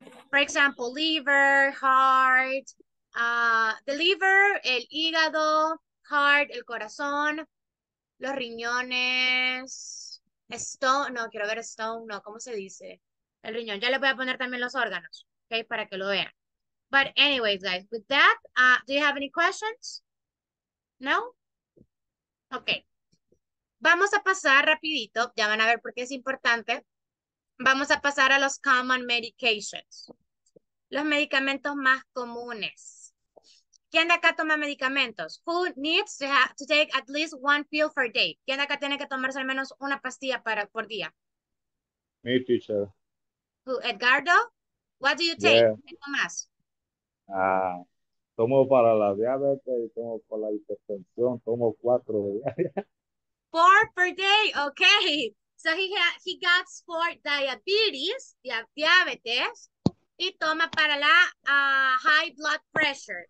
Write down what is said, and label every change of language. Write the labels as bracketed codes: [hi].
[en] For example, liver, heart, the liver, [es] el hígado, heart, el corazón, los riñones, stone, no, quiero ver stone, no, ¿cómo se dice? El riñón. Ya le voy a poner también los órganos, okay, para que lo vean. [en] But anyways, guys, with that, do you have any questions? [es] No? Okay. Vamos a pasar rapidito. Ya van a ver por qué es importante. Vamos a pasar a los [en] common medications. [es] Los medicamentos más comunes. ¿Quién de acá toma medicamentos? [en] Who needs to take at least one pill per day? [es] ¿Quién de acá tiene que tomarse al menos una pastilla por día? [en] Me, teacher. Who, Edgardo? What do you take? Yeah. Tomás. [es] Tomo para la diabetes, tomo para la hipertensión, tomo cuatro. [en] Four per day, okay. So he got four diabetes, diabetes, [es] y toma para la [en] high blood pressure.